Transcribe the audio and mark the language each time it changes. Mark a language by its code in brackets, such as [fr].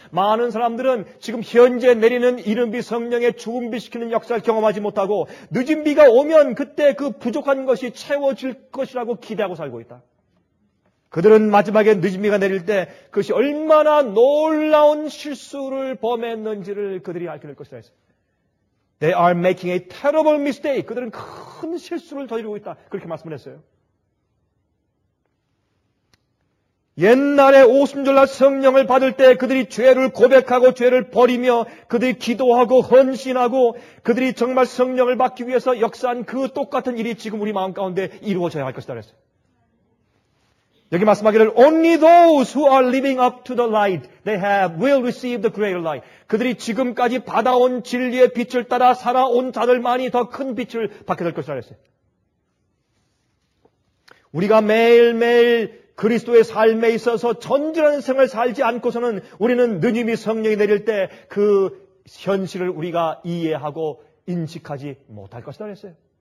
[ko] 많은 사람들은 지금 현재 내리는 이른비 성령의 주은비시키는 역사를 경험하지 못하고 늦은 비가 오면 그때 그 부족한 것이 채워질 것이라고 기대하고 살고 있다. 그들은 마지막에 늦은 비가 내릴 때 그것이 얼마나 놀라운 실수를 범했는지를 그들이 알게 될 것이다 했습니다. [en] They are making a terrible mistake. [ko] 그들은 큰 실수를 저지르고 있다. 그렇게 말씀을 했어요. 옛날에 오순절날 성령을 받을 때 그들이 죄를 고백하고 죄를 버리며 그들이 기도하고 헌신하고 그들이 정말 성령을 받기 위해서 역사한 그 똑같은 일이 지금 우리 마음 가운데 이루어져야 할 것이다 했어요. 여기 말씀하기를 [en] Only those who are living up to the light they have will receive the greater light. [ko] 그들이 지금까지 받아온 진리의 빛을 따라 살아온 자들만이 더 큰 빛을 받게 될 것이라 했어요. 우리가 매일매일 그리스도의 삶에 있어서 전진한 생을 살지 않고서는 우리는 느님이 성령이 내릴 때 그 현실을 우리가 이해하고 인식하지 못할 것이라 했어요.